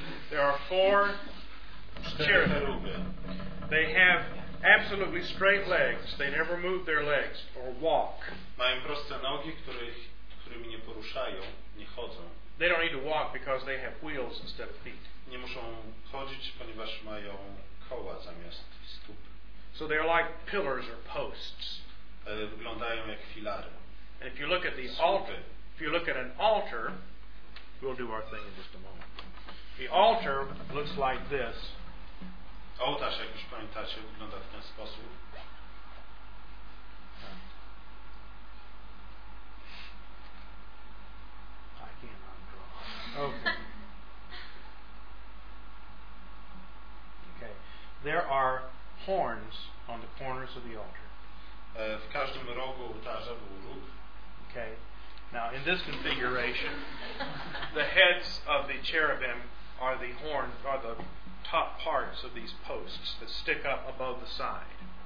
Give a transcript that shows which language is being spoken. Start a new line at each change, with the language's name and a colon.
English: There are four cherubim. They have absolutely straight legs. They never move their legs or walk.
Polish: Mają proste nogi, którymi nie poruszają, nie chodzą.
English: They don't need to walk because they have wheels instead of feet.
Polish: Nie muszą chodzić, ponieważ mają koła zamiast stóp.
English: So they're like pillars or posts.
Polish: Wyglądają jak filary.
English: And if you look at the altar, if you look at an altar, we'll do our thing in just a moment. The altar looks like this.
Polish: Ołtarz, jak już pamiętacie, wygląda w ten sposób.
English: I cannot draw. Okay. There are horns on the corners of the altar.
Polish: W każdym rogu ołtarza był róg.
English: Okay. Now, in this configuration, the heads of the cherubim are the horns, are the top parts of these posts that stick up above the side.